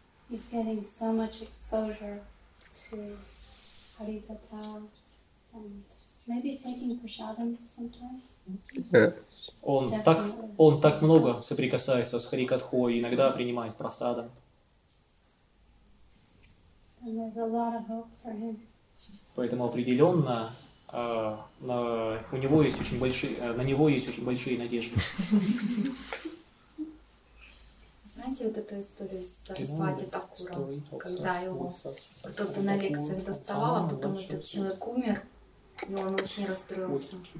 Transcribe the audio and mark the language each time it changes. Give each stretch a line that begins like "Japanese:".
English: He's getting so much exposure to Harisata and maybe taking prasadam sometimes. Yeah.
Russian: Он так много соприкасается с Харикатхой, иногда принимает прасадам.
English: And there's a lot of hope for him.
Russian: Поэтому определенно на него есть очень большие надежды. Знаете, знаете вот эту историю с Сарасвати Такуром, когда его кто-то на лекциях доставал, а потом этот человек умер, и он очень расстроился.